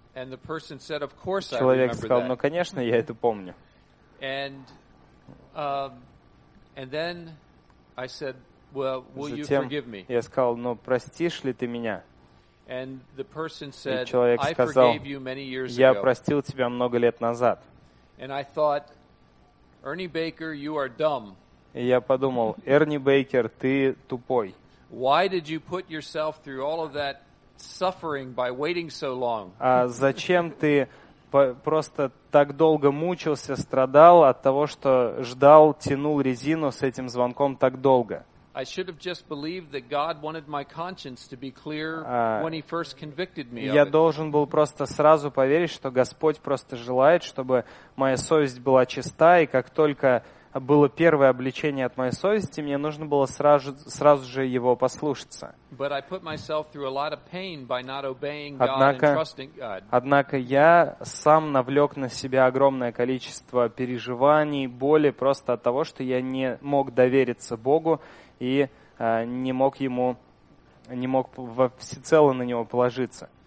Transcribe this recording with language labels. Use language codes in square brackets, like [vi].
[ru] Человек сказал, ну, конечно, я это помню. Затем я сказал, ну, простишь ли ты меня? [en] And the person said, [ru] и человек сказал, я простил тебя много лет назад. [en] And I thought, Ernie Baker, you are dumb. [ru] И я подумал, Эрни Бейкер, ты тупой. [en] Why did you put yourself through all of that suffering by waiting so long? [ru] А зачем ты просто так долго мучился, страдал от того, что ждал, тянул резину с этим звонком так долго? [en] I should have just believed that God wanted my conscience to be clear when He first convicted me of it. [ru] Я должен был просто сразу поверить, что Господь просто желает, чтобы моя совесть была чиста, и как только было первое обличение от моей совести, мне нужно было сразу же его послушаться. [en] But I put myself through a lot of pain by not obeying God and trusting God. [ru] Однако я сам навлек на себя огромное количество переживаний, боли просто от того, что я не мог довериться Богу. И не мог во всецело на него положиться.